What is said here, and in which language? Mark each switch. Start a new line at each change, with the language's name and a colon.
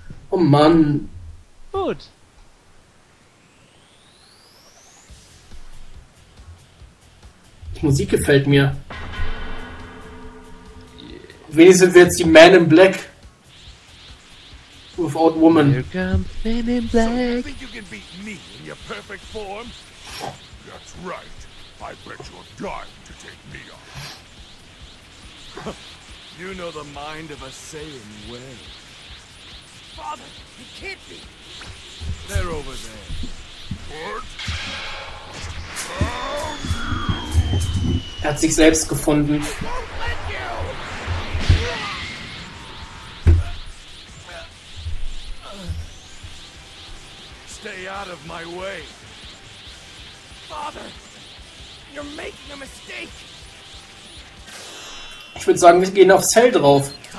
German: Oh Mann. Gut. Ich Musik gefällt mir. Wenigstens sind wir jetzt die Man in Black.
English: Without Woman. Here comes Man in Black. So you think you can beat me in your perfect form? That's right. I bet you're dying to take me on. You know the mind of a Saiyan well. Father, he can't be. They're over there. What?
German: Er hat sich selbst gefunden.
English: Stay out of my way. Father, you're making a mistake.
German: Ich würde sagen, wir gehen aufs Hell drauf.